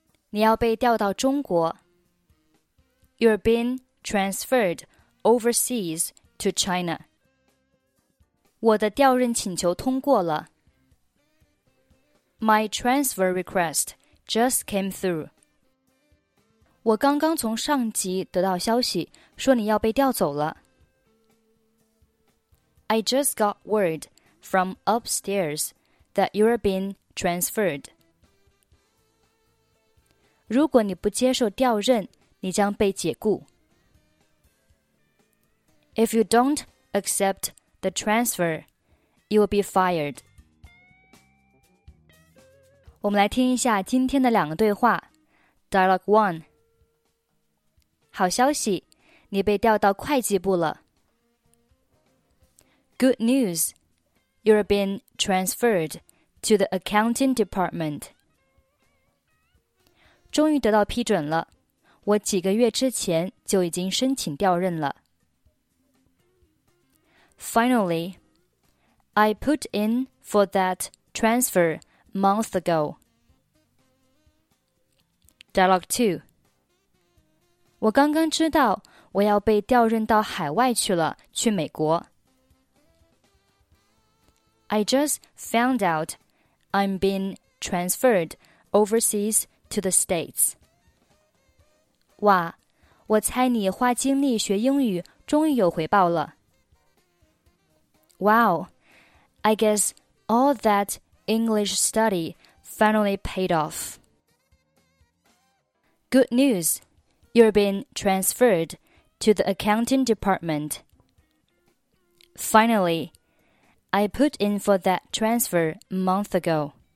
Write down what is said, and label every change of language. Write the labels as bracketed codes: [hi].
[zh] 你要被调到中国， [en] You're being transferred overseas to China。 [zh] 我的调任请求通过了。 [en] My transfer request just came through. [zh] 我刚刚从上级得到消息，说你要被调走了。 [en] I just got word from upstairs that you're being transferred. [zh] 如果你不接受调任，你将被解雇。 [en] If you don't accept the transfer,You will be fired. [zh] 我们来听一下今天的两个对话。 [en] Dialogue 1. [zh] 好消息，你被调到会计部了。 [en] Good news. You're being transferred to the accounting department. [zh] 终于得到批准了，我几个月之前就已经申请调任了。 [en] Finally,I put in for that transfer months ago. Dialogue 2. [zh] 我刚刚知道我要被调任到海外去了，去美国。 [en] I just found out I'm being transferred overseas to the States. [zh] 哇，我猜你花精力学英语终于有回报了。 [en] Wow. I guess all that English study finally paid off. Good news, you're being transferred to the accounting department. Finally, I put in for that transfer months ago.